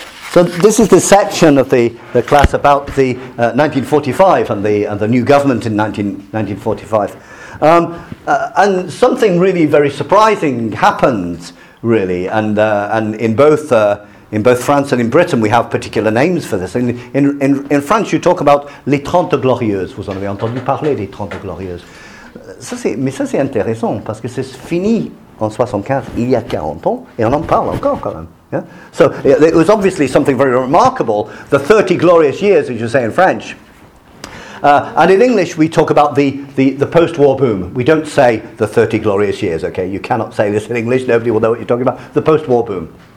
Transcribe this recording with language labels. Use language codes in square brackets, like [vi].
[en] So this is the section of the class about the 1945 and the new government in 1945. And something really very surprising happened, really, and in both France and in Britain, we have particular names for this. In France, you talk about les Trente Glorieuses. [fr] Vous en avez entendu parler, les Trente Glorieuses. Ça c'est intéressant, parce que c'est fini en 75, il y a 40 ans, et on en parle encore quand même. [en] Yeah? So it was obviously something very remarkable, the 30 glorious years, as you say in French. And in English, we talk about the post-war boom. We don't say the 30 glorious years, okay? You cannot say this in English, nobody will know what you're talking about. The post-war boom.